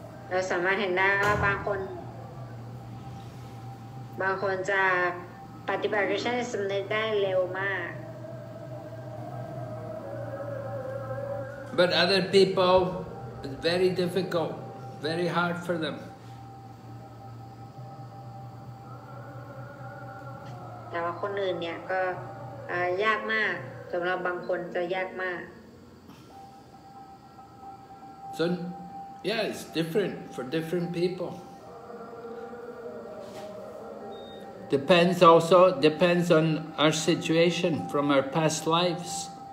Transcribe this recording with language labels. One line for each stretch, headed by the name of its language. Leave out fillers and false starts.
Thai: เราสามารถเห็นได้ว่าบางคนจะปฏิบัติ Krishna สำเร็จได้เร็วมาก
English: But other people it's very difficult, very hard for them.
Thai: แต่ว่าคนอื่นเนี่ยก็ยากมากสำหรับบางคนจะยากมาก
English: So yeah, it's different for different people. Depends on our situation from our past lives.